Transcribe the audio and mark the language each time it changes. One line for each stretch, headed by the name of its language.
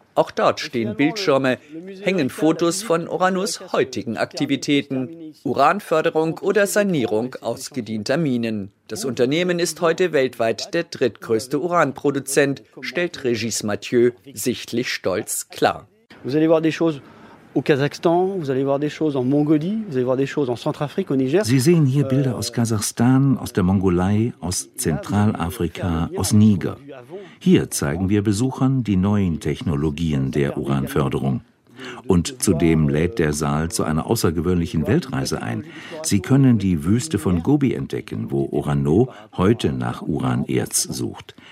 German: Auch dort stehen Bildschirme, hängen Fotos von Uranus' heutigen Aktivitäten, Uranförderung oder Sanierung ausgedienter Minen. Das Unternehmen ist heute weltweit der drittgrößte Uranproduzent, stellt Régis Mathieu sichtlich stolz klar.
French: Vous allez voir des choses au Kazakhstan, vous allez voir des choses en Mongolie, vous allez voir des choses en Centrafrique, au Niger.
German: Sie sehen hier Bilder aus Kasachstan, aus der Mongolei, aus Zentralafrika, aus Niger. Hier zeigen wir Besuchern die neuen Technologien der Uranförderung. Und zudem lädt der Saal zu einer außergewöhnlichen Weltreise ein. Sie können die Wüste von Gobi entdecken, wo Orano heute nach Uranerz sucht.